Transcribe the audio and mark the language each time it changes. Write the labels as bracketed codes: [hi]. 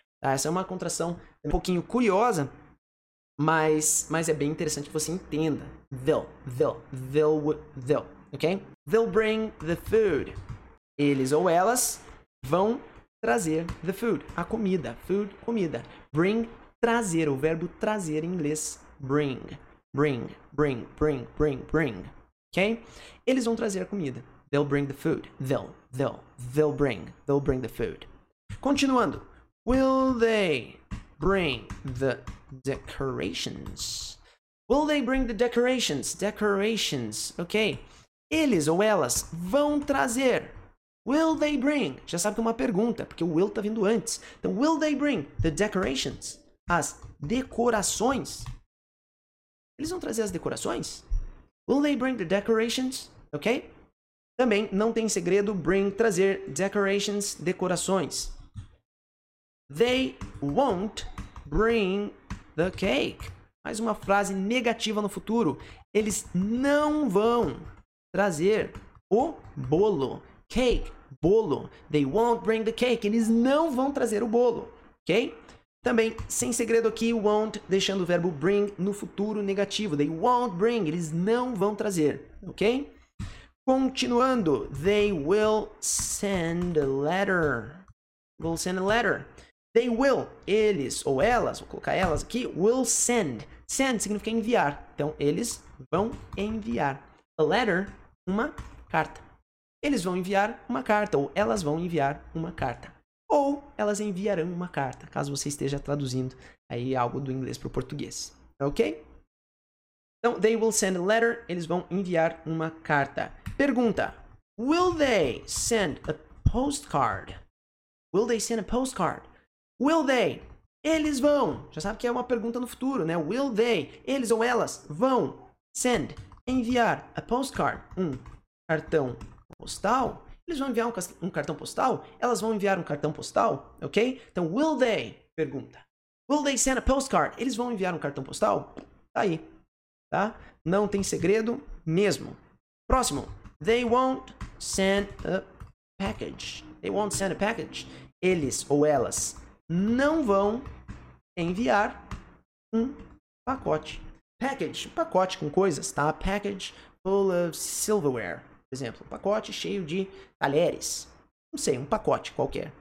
[pt] Tá, essa é uma contração um pouquinho curiosa, mas é bem interessante que você entenda. [en] They'll. They'll. They'll. They'll. Ok? They'll bring the food. [pt] Eles ou elas... vão trazer the food, a comida. Food, comida. Bring, trazer. O verbo trazer em inglês. [en] Bring, bring, bring, bring, bring, bring. Ok? [pt] Eles vão trazer a comida. [en] They'll bring the food. They'll, they'll, they'll bring. They'll bring the food. Continuando. Will they bring the decorations? Will they bring the decorations? Decorations. Ok? [pt] Eles ou elas vão trazer... [en] Will they bring? [pt] Já sabe que é uma pergunta, porque o will tá vindo antes. [en] Então, will they bring the decorations? [pt] As decorações? Eles vão trazer as decorações? [en] Will they bring the decorations? Ok? [pt] Também, não tem segredo, bring, trazer, decorations, decorações. [en] They won't bring the cake. [pt] Mais uma frase negativa no futuro. Eles não vão trazer o bolo. [en] Cake. Bolo. They won't bring the cake. [pt] Eles não vão trazer o bolo. Ok? Também, sem segredo aqui, won't, deixando o verbo bring no futuro negativo. [en] They won't bring. [pt] Eles não vão trazer. Ok? Continuando. [en] They will send a letter. Will send a letter. They will. [pt] Eles ou elas, vou colocar elas aqui, will send. Send significa enviar. Então, eles vão enviar. A letter, uma carta. Eles vão enviar uma carta, ou elas vão enviar uma carta. Ou elas enviarão uma carta, caso você esteja traduzindo aí algo do inglês para o português. Ok? Então, [en] they will send a letter, [pt] eles vão enviar uma carta. [en] Pergunta, will they send a postcard? Will they send a postcard? Will they? Eles vão. [pt] Já sabe que é uma pergunta no futuro, né? Will they, eles ou elas, vão send, enviar a postcard, um cartão postal? Eles vão enviar um cartão postal? Elas vão enviar um cartão postal? Ok? Então, [en] will they? [pt] Pergunta. [en] Will they send a postcard? [pt] Eles vão enviar um cartão postal? Tá aí. Tá? Não tem segredo mesmo. Próximo. [en] They won't send a package. They won't send a package. [pt] Eles ou elas não vão enviar um pacote. Package. Um pacote com coisas, tá? [en] Package full of silverware. [pt] Por exemplo, um pacote cheio de talheres. Não sei, um pacote qualquer.